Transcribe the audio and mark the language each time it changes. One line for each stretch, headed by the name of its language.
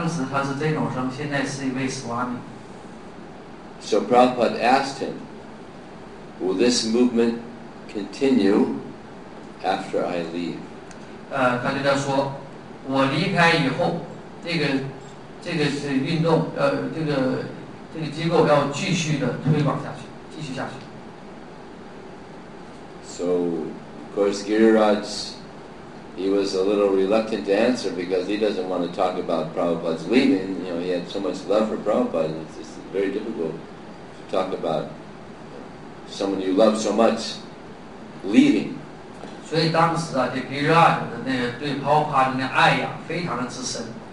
Chinese: 对，他们叫他们来的时候已经深夜了，很晚很晚了。其中有一个人的名字叫Giriraj，他当时他是这种生，现在是一位Swami。
English: So Prabhupada asked him, will this movement continue after I leave?
Chinese: 他对他说，我离开以后，这个 这个是运动，这个机构要继续的推广下去，继续下去。
English: So, of course, Giriraj, he was a little reluctant to answer because he doesn't want to talk about Prabhupada's leaving. You know, he had so much love for Prabhupada, it's just very difficult to talk about someone you love so much leaving.
Chinese: 所以当时啊，这Giriraj的那个对Prabhupada的那爱呀，非常的之深。